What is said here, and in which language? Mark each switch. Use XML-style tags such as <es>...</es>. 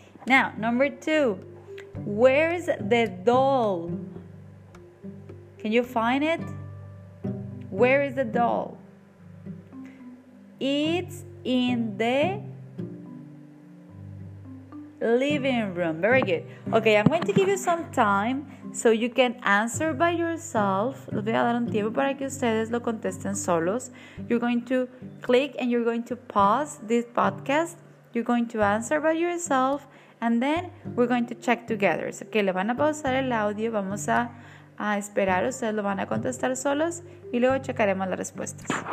<en>Now, number two. Where's the doll? Can you find it? Where is the doll? It's in the living room. Very good. Okay, I'm going to give you some time so you can answer by yourself.</en> <es>Les voy a dar un tiempo para que ustedes lo contesten solos.</es> <en>You're going to click and you're going to pause this podcast. You're going to answer by yourself and then we're going to check together.</en> <es>So, okay, le van a pausar el audio. Vamos a esperar. Ustedes lo van a contestar solos y luego checaremos las respuestas.</es>